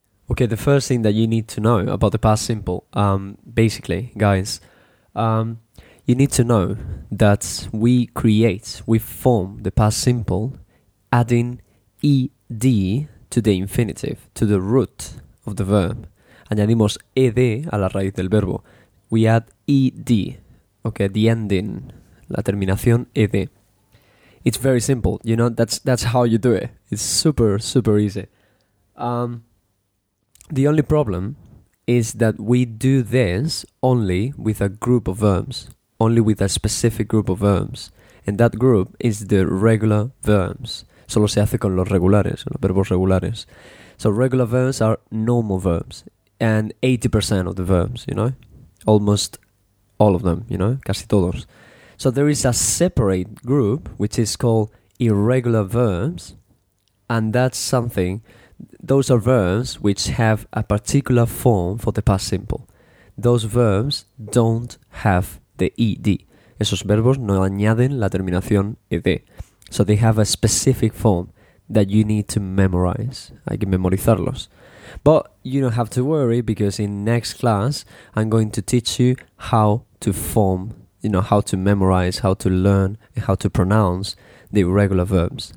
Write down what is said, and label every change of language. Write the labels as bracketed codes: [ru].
[en] Okay, the first thing that you need to know about the past simple, basically, guys, you need to know that we form the past simple adding ed to the infinitive, to the root of the verb. [es] Añadimos ed a la raíz del verbo. [en] We add ed, okay, the ending, [es] la terminación ed. [en] It's very simple, you know, that's how you do it. It's super, super easy. The only problem is that we do this only with a group of verbs. Only with a specific group of verbs. And that group is the regular verbs. [es] Solo se hace con los regulares, los verbos regulares. [en] So regular verbs are normal verbs. And 80% of the verbs, you know? Almost all of them, you know? [es] Casi todos. [en] So there is a separate group, which is called irregular verbs. And that's something... Those are verbs which have a particular form for the past simple. Those verbs don't have... the ed. [es] Esos verbos no añaden la terminación ed. [en] So they have a specific form that you need to memorize. [es] Hay que memorizarlos. [en] But you don't have to worry because in next class I'm going to teach you how to form, you know, how to memorize, how to learn, and how to pronounce the irregular verbs.